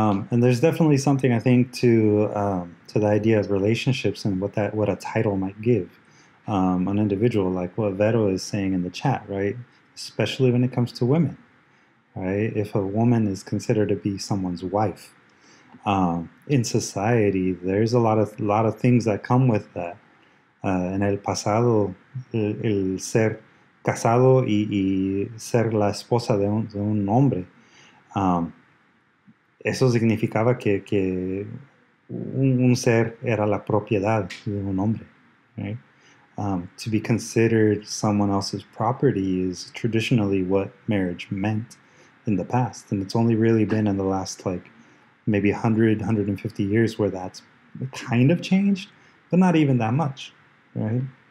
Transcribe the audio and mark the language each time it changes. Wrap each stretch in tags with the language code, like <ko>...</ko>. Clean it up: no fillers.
<en>And there's definitely something, I think, to the idea of relationships and what a title might give an individual, like what Vero is saying in the chat, right? Especially when it comes to women, right? If a woman is considered to be someone's wife, in society, there's a lot of things that come with that.</en> <es>En el pasado, el ser casado y ser la esposa de un hombre, eso significaba que un ser era la propiedad de un hombre, right?</es> <en>To be considered someone else's property is traditionally what marriage meant in the past. And it's only really been in the last, like, maybe 100, 150 years where that's kind of changed, but not even that much, right?</en>